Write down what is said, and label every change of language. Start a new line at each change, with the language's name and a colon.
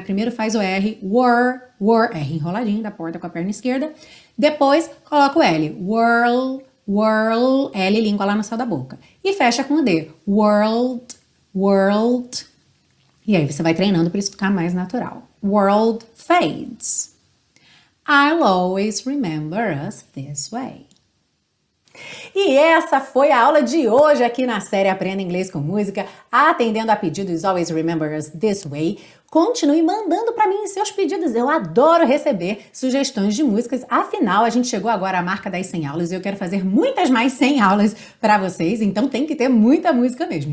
Portuguese: Primeiro faz o R, R enroladinho da porta com a perna esquerda. Depois coloca o L, world, world, L língua lá no céu da boca. E fecha com o D, world, world. E aí você vai treinando para isso ficar mais natural.
English: World fades. I'll always remember us this way.
Portuguese: E essa foi a aula de hoje aqui na série Aprenda Inglês com Música, atendendo a pedidos Always Remember Us This Way. Continue mandando para mim seus pedidos, eu adoro receber sugestões de músicas. Afinal, a gente chegou agora à marca das 100 aulas e eu quero fazer muitas mais 100 aulas para vocês, então tem que ter muita música mesmo.